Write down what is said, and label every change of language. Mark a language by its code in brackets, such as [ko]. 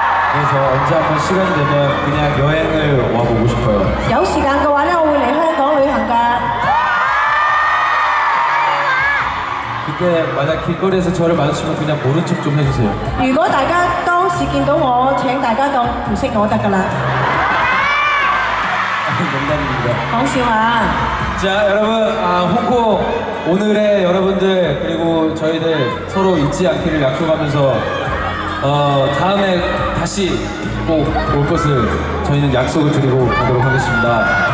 [ko] 그래서 언제 한번 시간이 되면 그냥 여행을 와보고 싶어요. [yue] 有时间嘅话咧，我会嚟香港旅行噶。 [ko] 그때 만약 길거리에서 저를 마주치면 그냥 모른 척 좀 해주세요. [yue] 如果大家当时见到我，请大家当唔识我得噶啦。 [ko] 농담입니다. 자 여러분 홍콩 오늘의 여러분들 그리고 저희들 서로 잊지 않기를 약속하면서 다음에 다시 꼭 올 것을 저희는 약속을 드리고 가도록 하겠습니다.